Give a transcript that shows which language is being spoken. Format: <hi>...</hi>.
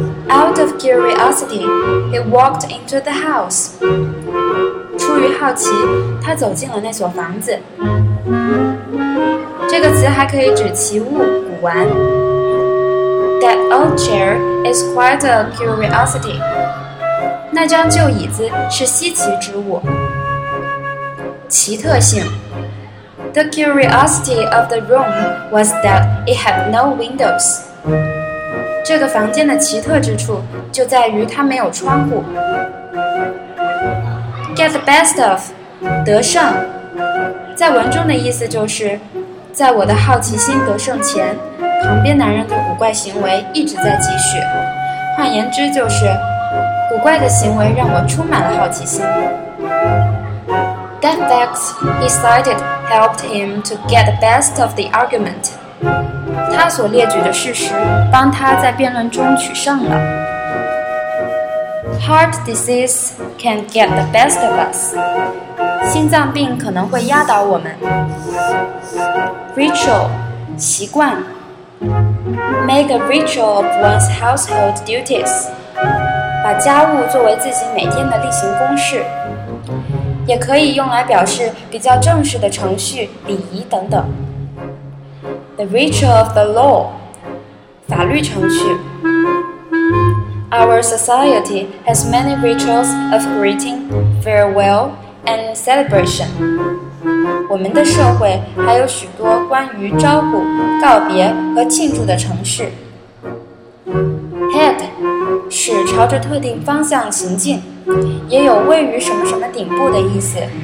<en>Out of curiosity, he walked into the house.</en> <zh>出于好奇，他走进了那所房子。这个词还可以指奇物、古玩。</zh> <en>That old chair is quite a curiosity.</en> <zh>那张旧椅子是稀奇之物。奇特性。</zh> <en>The curiosity of the room was that it had no windows.</en> <zh>这个房间的奇特之处就在于它没有窗户。</zh> <en>Get the best of,</en> <zh>得胜。在文中的意思就是在我的好奇心得胜前，旁边男人的古怪行为一直在继续。换言之就是，古怪的行为让我充满了好奇心。</zh> <en>That fact he cited helped him to get the best of the argument.</en> <zh>他所列举的事实帮他在辩论中取胜了。</zh> <en>Heart disease can get the best of us.</en> <zh>心脏病可能会压倒我们。</zh> <en>Ritual,</en> <zh>习惯。</zh> <en>Make a ritual of one's household duties.</en> <zh>把家务作为自己每天的例行公事。也可以用来表示比较正式的程序、礼仪等等。</zh> <en>The ritual of the law,</en> <zh>法律程序。</zh> <en>Our society has many rituals of greeting, farewell, and celebration.</en> <zh>我们的社会还有许多关于招呼、告别和庆祝的程序。Head, 是朝着特定方向行进，也有位于什么什么顶部的意思。</zh>